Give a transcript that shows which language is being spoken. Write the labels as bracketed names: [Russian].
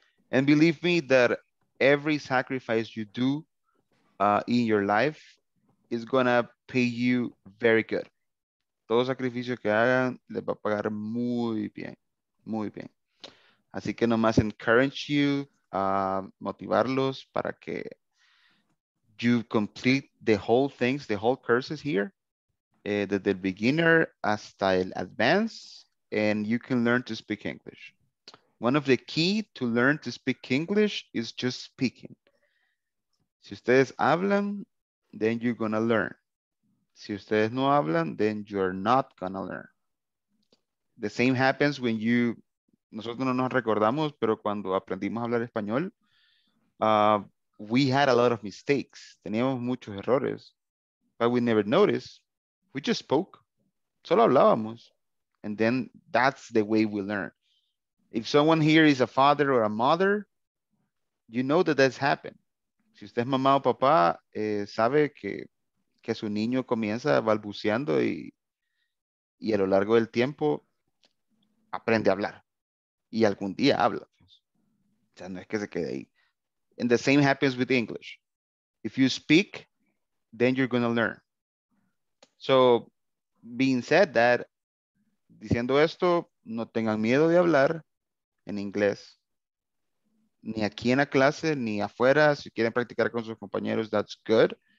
[English] And believe me that every sacrifice you do in your life is gonna pay you very good. [Spanish] Todo sacrificio que hagan les va a pagar muy bien, muy bien. Así que nomás [English] encourage you, [Spanish] motivarlos para que [English] you complete the whole things, the whole courses here, [Spanish] desde el [English] beginner [Spanish] hasta el [English] advanced, and you can learn to speak English. One of the key to learn to speak English is just speaking. [Spanish] Si ustedes hablan, [English] then you're gonna learn. [Spanish] Si ustedes no hablan, [English] then you're not gonna learn. The same happens when you, [Spanish] nosotros no nos recordamos, pero cuando aprendimos a hablar español, [English] we had a lot of mistakes. [Spanish] Teníamos muchos errores, [English] but we never noticed. We just spoke. [Spanish] Solo hablábamos. [English] And then that's the way we learn. If someone here is a father or a mother, you know that that's happened. [Spanish] Si usted es mamá o papá, sabe que su niño comienza balbuceando y a lo largo del tiempo aprende a hablar. Y algún día habla. O sea, no es que se quede ahí. [English] And the same happens with English. If you speak, then you're going to learn. So, being said that, [Spanish] diciendo esto, no tengan miedo de hablar en inglés. Ni aquí en la clase, ni afuera. Si quieren practicar con sus compañeros, [English] that's good.